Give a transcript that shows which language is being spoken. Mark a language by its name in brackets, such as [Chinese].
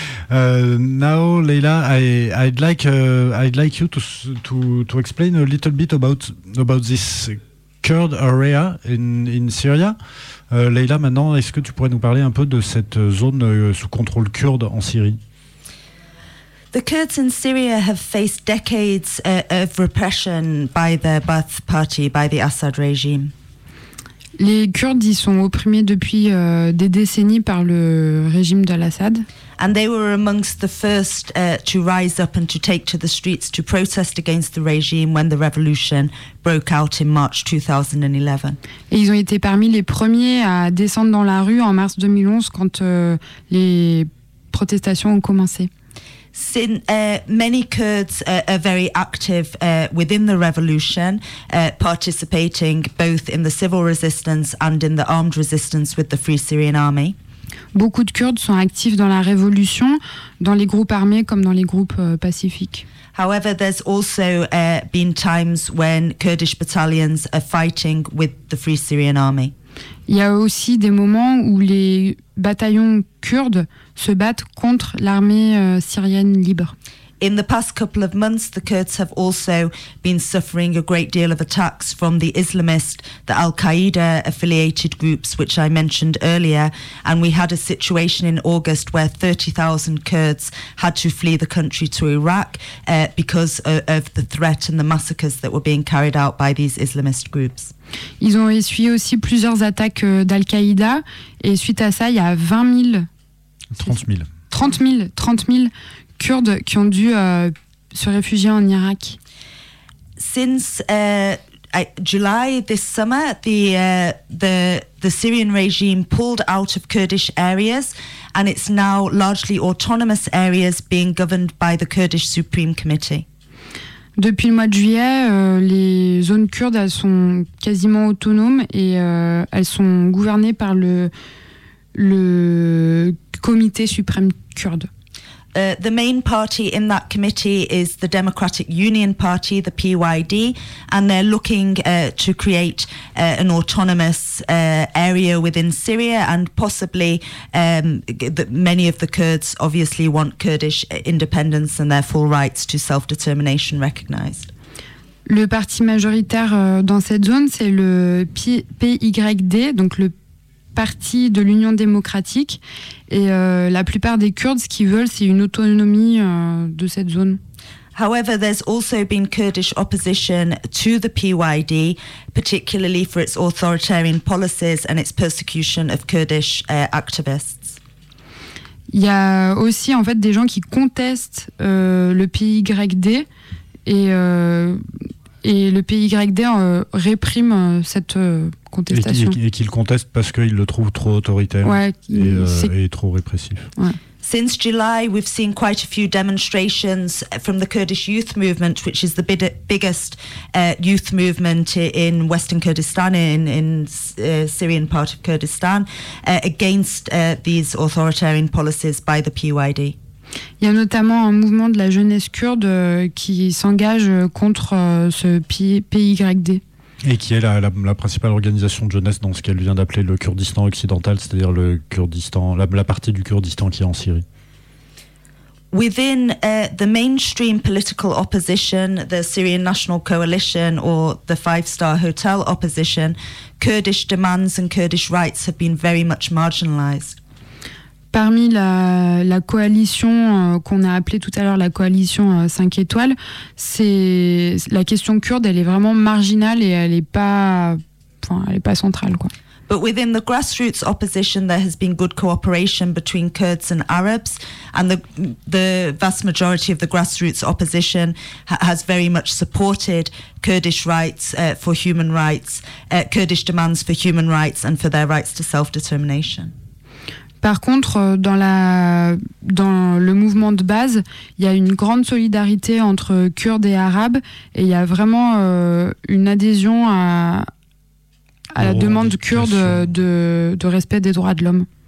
[English] Now, Leila, I'd like you to explain a little bit about this Kurd area in Syria. [French] Leila, maintenant, est-ce que tu pourrais nous parler un peu de cette zone sous contrôle kurde en Syrie? [English] The Kurds in Syria have faced decades of repression by the Ba'ath Party, by the Assad regime. [French] Les Kurdes y sont opprimés depuis des décennies par le régime d'Al-Assad. [English] And they were amongst the first to rise up and to take to the streets to protest against the regime when the revolution broke out in March 2011. [French] Et ils ont été parmi les premiers à descendre dans la rue en mars 2011 quand les protestations ont commencé. [English] Many Kurds are very active within the revolution, participating both in the civil resistance and in the armed resistance with the Free Syrian Army. [French] Beaucoup de Kurdes sont actifs dans la révolution, dans les groupes armés comme dans les groupes pacifiques. [English] However, there's also been times when Kurdish battalions are fighting with the Free Syrian Army. [French] Il y a aussi des moments où les bataillons kurdes se battent contre l'armée syrienne libre. [English] In the past couple of months, the Kurds have also been suffering a great deal of attacks from the Islamist, the Al-Qaeda affiliated groups, which I mentioned earlier. And we had a situation in August where 30,000 Kurds had to flee the country to Iraq because of the threat and the massacres that were being carried out by these Islamist groups. [French] Ils ont essuyé aussi plusieurs attaques d'Al-Qaïda et suite à ça, il y a 30 000 Kurdes qui ont dû se réfugier en Irak. [English] Since July this summer, the Syrian regime pulled out of Kurdish areas and it's now largely autonomous areas being governed by the Kurdish Supreme Committee. [French] Depuis le mois de juillet, les zones kurdes elles sont quasiment autonomes et elles sont gouvernées par le comité suprême kurde. [English] The main party in that committee is the Democratic Union Party, the PYD, and they're looking to create an autonomous area within Syria and possibly many of the Kurds obviously want Kurdish independence and their full rights to self-determination recognized. [French] Le parti majoritaire dans cette zone, c'est le PYD, donc le Parti de l'Union démocratique et la plupart des Kurdes, ce qu'ils veulent, c'est une autonomie de cette zone. [English] However, there's also been Kurdish opposition to the PYD, particularly for its authoritarian policies and its persecution of Kurdish activists. [French] Il y a aussi en fait des gens qui contestent le PYD et le PYD réprime cette contestation. Et qu'il conteste parce qu'il le trouve trop autoritaire et trop répressif. Ouais. [English] Since July, we've seen quite a few demonstrations from the Kurdish youth movement, which is the biggest youth movement in Western Kurdistan, in Syrian part of Kurdistan, against these authoritarian policies by the PYD. [French] Il y a notamment un mouvement de la jeunesse kurde qui s'engage contre ce PYD. Et qui est la principale organisation de jeunesse dans ce qu'elle vient d'appeler le Kurdistan occidental, c'est-à-dire le Kurdistan, la partie du Kurdistan qui est en Syrie. [English] Within the mainstream political opposition, the Syrian National Coalition or the Five Star Hotel opposition, Kurdish demands and Kurdish rights have been very much marginalized. [French] Parmi la coalition qu'on a appelée tout à l'heure la coalition 5 étoiles, c'est la question kurde, elle est vraiment marginale et elle est pas centrale quoi. [English] But within the grassroots opposition there has been good cooperation between Kurds and Arabs and the vast majority of the grassroots opposition has very much supported Kurdish rights for human rights, Kurdish demands for human rights and for their rights to self-determination. [French] Par contre, dans le mouvement de base, il y a une grande solidarité entre Kurdes et Arabes et il y a vraiment une adhésion à la demande kurde de respect des droits de l'homme.